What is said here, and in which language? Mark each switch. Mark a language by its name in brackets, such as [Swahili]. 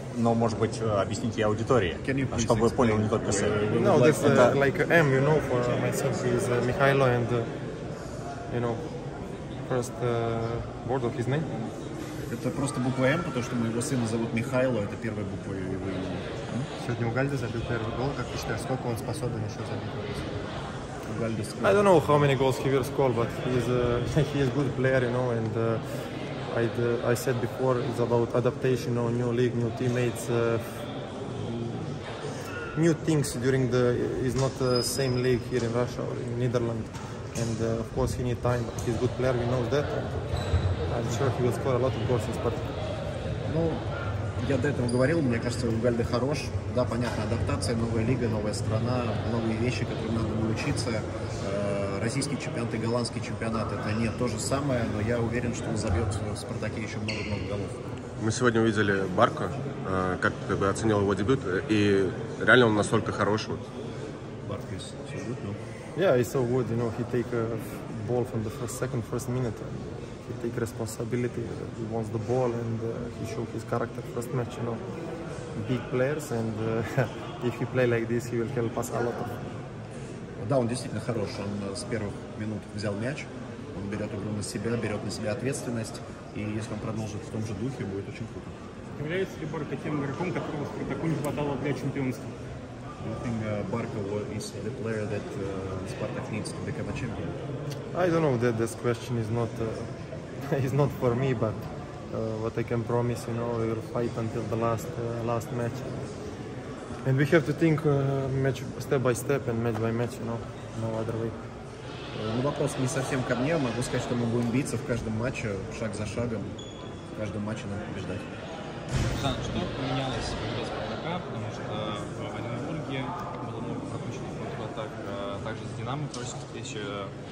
[Russian] Но, может быть, объясните аудитории, чтобы понял не только сын. [English] No, this is like M, you know, for my son is Mihailo, and you know, first word of his name. [Russian] Это просто буква М, потому что моего сына зовут Михайло, это первая буква его имени. Сегодня Угальдо забил первый гол. Как ты считаешь, сколько он способен еще забить? [English] I don't know how many goals he will score, but he is a good player, you know, and I said before, it's about adaptation, you know, new league, new teammates, new things during the, it's not the same league here in Russia or in Netherlands, and of course he needs time, but he's a good player, we know that, and I'm sure he will score a lot of goals in Spartak. [Russian] Я до этого говорил, мне кажется, Угальдо хорош. Да, понятно, адаптация, новая лига, новая страна, новые вещи, которым надо научиться. Российский чемпионат и голландский чемпионат – это не то же самое, но я уверен, что он забьет в «Спартаке» еще много-много голов. Мы сегодня увидели Барко. Как ты оценил его дебют? И реально он настолько хорош? [English] Барко is so good, no? Yeah, he's so good, you know, he take a ball from the first minute. He take responsibility, he wants the ball, and he show his character first match, you know, big players, and if he play like this, he will help us a lot. [Russian] Да, он действительно хорош, он с первых минут взял мяч, он берет игру на себя, берет на себя ответственность, и если он продолжит в том же духе, будет очень круто. Является ли Барко тем игроком, которого Спартаку не хватало для чемпионства? [English] Do you think Barco is the player that Spartak needs to become a champion? I don't know, that this question is not it's not for me, but what I can promise, you know, we will fight until the last match. And we have to think match step by step and match by match, you know, no other way. [Russian] Ну, вопрос не совсем ко мне. Могу сказать, что мы будем биться в каждом матче, шаг за шагом. В каждом матче надо побеждать. Жан, что поменялось в игре Спартака? Потому что в Оренбурге было много пропущенных контратак. Также с Динамо, то есть еще